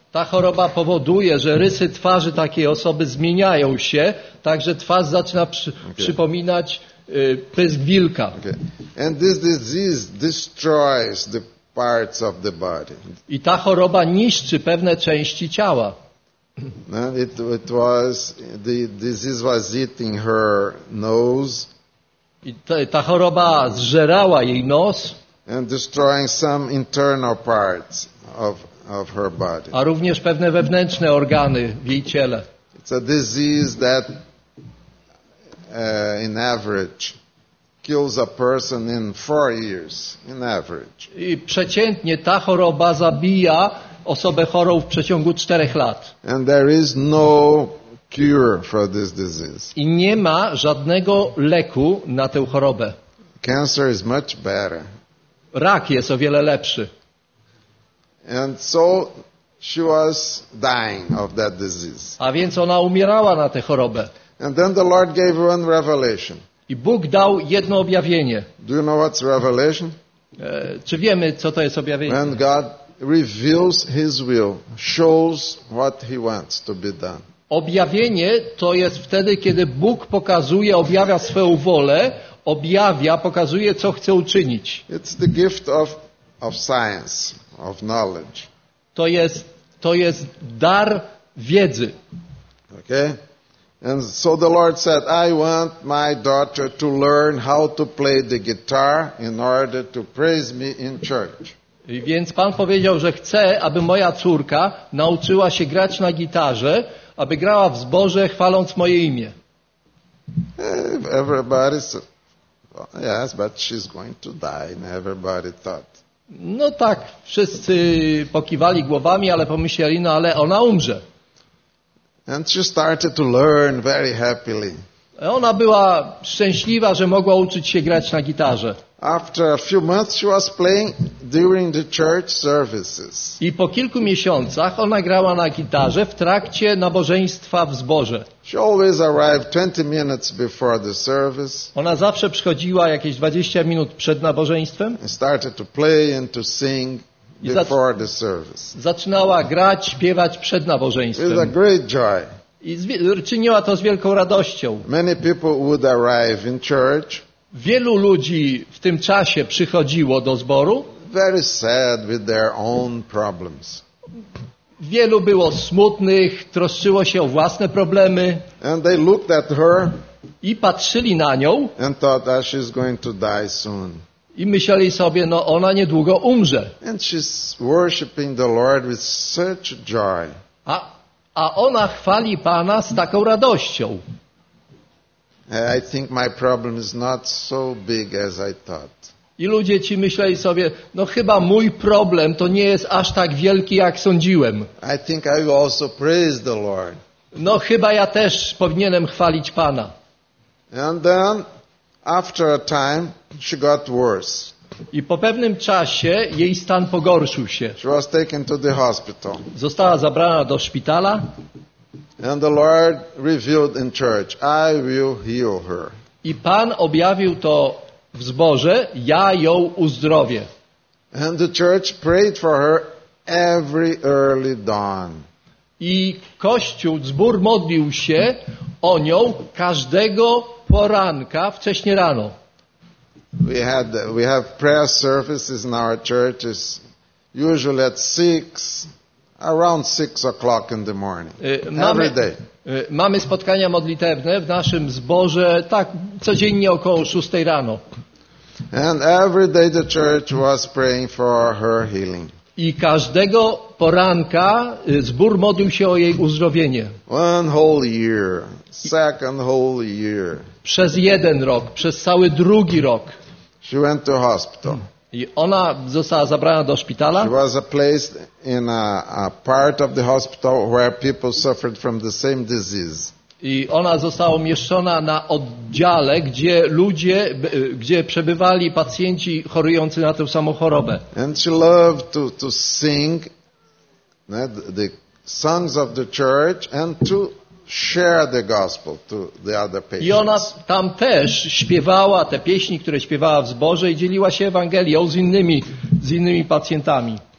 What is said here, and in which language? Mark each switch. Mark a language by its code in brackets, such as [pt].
[pl] Ta choroba powoduje, że rysy twarzy takiej osoby zmieniają się, także twarz zaczyna przypominać pysk wilka. [en] Okay. And this disease destroys the parts of the body. [pl] I ta choroba niszczy pewne części ciała. [en] It was, the disease was eating her nose. [pl] I ta choroba zżerała jej nos. [en] And destroying some internal parts of her body. [pl] A również pewne wewnętrzne organy w jej ciele. [en] It's a disease that in average kills a person in 4 years in average. [pl] I przeciętnie ta choroba zabija osobę chorą w przeciągu 4 lat. [en] And there is no cure for this disease. [pl] I nie ma żadnego leku na tę chorobę. [en] Cancer is much better. [pl] Rak jest o wiele lepszy. [en] And so she was dying of that disease. [pl] A więc ona umierała na tę chorobę. [en] And then the Lord gave one revelation. [pl] I Bóg dał jedno objawienie. [en] Do you know what's revelation? [pl] Czy wiemy, co to jest objawienie? [en] When God reveals his will, shows what he wants to be done. [pl] Objawienie to jest wtedy, kiedy Bóg pokazuje, objawia swoją wolę, objawia, pokazuje, co chce uczynić. [en] It's the gift of science, of knowledge. [pl] To jest dar wiedzy. [en] Okay? And so the Lord said, I want my daughter to learn how to play the guitar in order to praise me in church. [pl] I więc Pan powiedział, że chce, aby moja córka nauczyła się grać na gitarze, aby grała w zborze, chwaląc moje imię. [en] Everybody's, yes, but she's going to die, and everybody thought. [pl] No tak, wszyscy pokiwali głowami, ale pomyśleli, no ale ona umrze. [en] And she started to learn very happily. [pl] Ona była szczęśliwa, że mogła uczyć się grać na gitarze. [en] After a few months she was playing during the church services. [pl] I po kilku miesiącach ona grała na gitarze w trakcie nabożeństwa w zborze. [en] She always arrived 20 minutes before the service. [pl] Ona zawsze przychodziła jakieś 20 minut przed nabożeństwem. [en] And started to play and to sing before the service. [pl] Zaczynała grać, śpiewać przed nabożeństwem. [en] It was a great joy. [pl] I czyniła to z wielką radością. [en] Many people would arrive in church. [pl] Wielu ludzi w tym czasie przychodziło do zboru. [en] Very sad with their own problems. [pl] Wielu było smutnych, troszczyło się o własne problemy. [en] And they looked at her. [pl] I patrzyli na nią. [en] And thought that she's going to die soon. [pl] I myśleli sobie, no ona niedługo umrze. [en] And she's worshiping the Lord with such joy. [pl] A ona chwali Pana z taką radością. [en] I think my problem is not so big as I thought. [pl] I ludzie ci myśleli sobie, no chyba mój problem to nie jest aż tak wielki, jak sądziłem. [en] I think I will also praise the Lord. [pl] No chyba ja też powinienem chwalić Pana. [en] And then, after a time, she got worse. [pl] I po pewnym czasie jej stan pogorszył się. [en] She was taken to the hospital. [pl] Została zabrana do szpitala. [en] And the Lord revealed in church, I will heal her. [pl] I Pan objawił to w zborze, ja ją uzdrowię. [en] And the church prayed for her every early dawn. [pl] I kościół, zbór modlił się o nią każdego poranka, wcześnie rano. [en] We have prayer services in our churches usually at 6. Around 6 o'clock in the morning. Every day. [pl] Mamy spotkania modlitewne w naszym zborze tak codziennie około 6 rano. [en] And every day the church was praying for her healing. [pl] I każdego poranka zbór modlił się o jej uzdrowienie. [en] One whole year. Second whole year. [pl] Przez jeden rok, przez cały drugi rok. [en] She went to hospital. [pl] I ona została zabrana do szpitala. [en] She was placed in a part of the hospital where people suffered from the same disease. [pl] I ona została umieszczona na oddziale, gdzie ludzie, gdzie przebywali pacjenci chorujący na tę samą chorobę. [en] And she loved to sing the songs of the church and to share the gospel to the other patients. [pl] I ona tam też śpiewała te pieśni, które śpiewała w zborze i dzieliła się Ewangelią z innymi pacjentami.